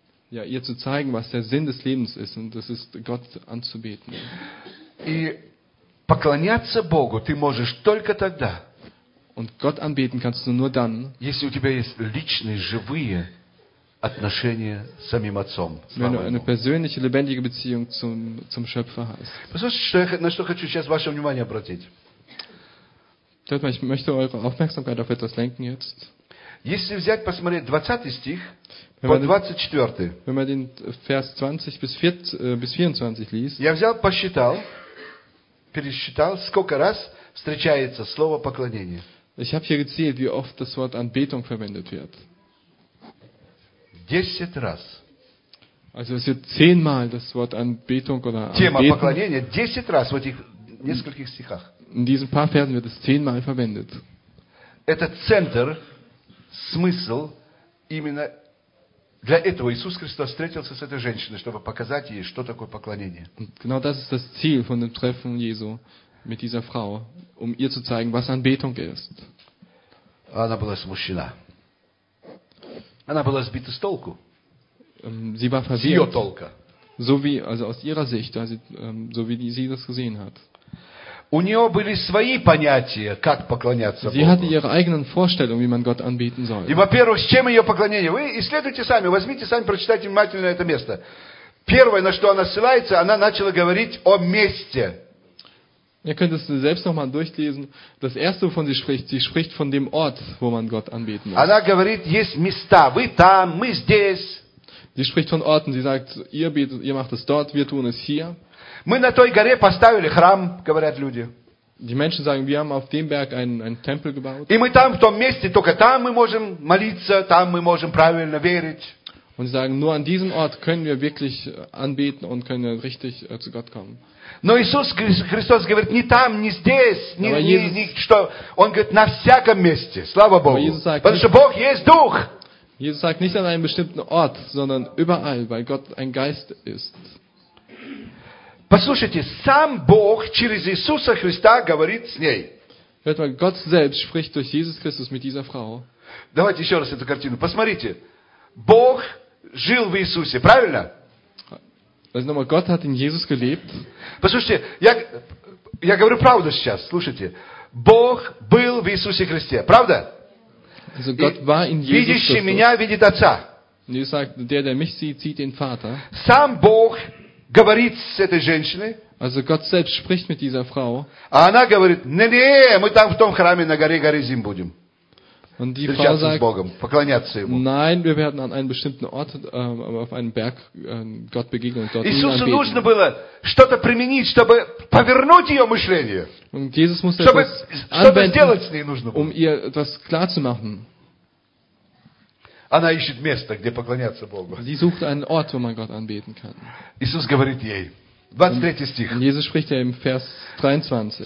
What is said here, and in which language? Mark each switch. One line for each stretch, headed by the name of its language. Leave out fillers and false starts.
German: Ja, ihr zu zeigen, was der Sinn des Lebens ist, und das ist Gott anzubeten.
Russian: И поклоняться Богу ты можешь только тогда.
German: Und Gott anbeten kannst du nur dann.
Russian: Если у тебя есть личные живые отношения с самим Отцом.
German: Wenn du eine persönliche lebendige Beziehung zum Schöpfer hast.
Russian: Послушайте, на что хочу сейчас ваше внимание обратить.
German: Hört mal, ich möchte eure Aufmerksamkeit auf etwas lenken jetzt.
Russian: Если взять, посмотреть 20 стих по 24.
German: Wenn man den Vers 20 bis 24 liest.
Russian: Я взял, пересчитал, сколько раз встречается слово поклонение.
German: Ich habe hier gezählt, wie oft das Wort Anbetung verwendet wird.
Russian: 10 раз.
German: Also es wird 10 Mal das Wort Anbetung oder Anbetung.
Russian: Тема поклонения 10 раз в этих нескольких стихах.
German: In diesen paar Versen wird es 10 Mal verwendet.
Russian: Это центр. Смысл именно для этого Иисус Христос встретился с этой женщиной, чтобы показать ей, что такое поклонение.
German: Genau das ist das Ziel von dem Treffen Jesu mit dieser Frau, um ihr zu zeigen, was Anbetung ist.
Russian: Она была смущена. Она была сбита с толку.
German: Sie war verwirrt. So wie, also aus ihrer Sicht, also, so wie sie das gesehen hat.
Russian: У нее были свои понятия, как поклоняться Богу.
German: Sie hatte ihre eigenen Vorstellungen, wie man Gott anbeten soll.
Russian: И, во-первых, с чем ее поклонение? Вы исследуйте сами, возьмите сами, прочитайте внимательно это место. Первое, на что она ссылается, она начала говорить о месте.
German: Ihr könnt es selbst nochmal durchlesen. Das erste, wovon sie spricht von dem Ort, wo man Gott anbeten muss.
Russian: Она говорит, есть места. Вы там, мы здесь.
German: Sie spricht von Orten. Sie sagt, ihr betet, ihr macht es dort, wir tun es hier.
Russian: Мы на той горе поставили храм, говорят люди.
German: Die Menschen sagen, wir haben auf dem Berg einen Tempel gebaut.
Russian: И мы там, в том месте, только там мы можем молиться, там мы можем правильно верить.
German: Und sie sagen, nur an diesem Ort können wir wirklich anbeten und können richtig zu Gott kommen.
Russian: Но Иисус Христос говорит, не там, не здесь, что. Он говорит, на всяком месте, слава Богу. Потому что Бог есть Дух.
German: Jesus sagt, nicht an einem bestimmten Ort, sondern überall, weil Gott ein Geist ist.
Russian: Послушайте, сам Бог через Иисуса Христа говорит с ней.
German: Hört mal, Gott selbst spricht durch Jesus Christus mit dieser Frau.
Russian: Давайте еще раз эту картину. Посмотрите. Бог жил в Иисусе, правильно?
German: Also nochmal, Gott hat in Jesus gelebt.
Russian: Послушайте, я говорю правду сейчас, слушайте. Бог был в Иисусе Христе, правда?
German: Also Gott war in Jesus Christus. Und ihr sagt, der, der mich sieht, sieht den Vater.
Russian: Сам Бог говорит с этой женщиной.
German: Also Gott selbst spricht mit dieser Frau.
Russian: А она говорит, не-не, мы там в том храме на горе Горизим будем.
German: Und die Frau sagt,
Russian: с Богом, поклоняться ему.
German: Nein, wir werden an einem bestimmten Ort, auf einem Berg Gott begegnen und dort ihn anbeten.
Russian: Иисусу нужно было что-то применить, чтобы повернуть ее мышление.
German: Und Jesus musste
Russian: чтобы,
German: etwas anwenden, um ihr etwas klar zu machen.
Russian: Она ищет место, где поклоняться Богу.
German: Sie sucht einen Ort, wo man Gott anbeten kann.
Russian: Иисус говорит ей. 23 стих.
German: Jesus spricht ja im Vers 23.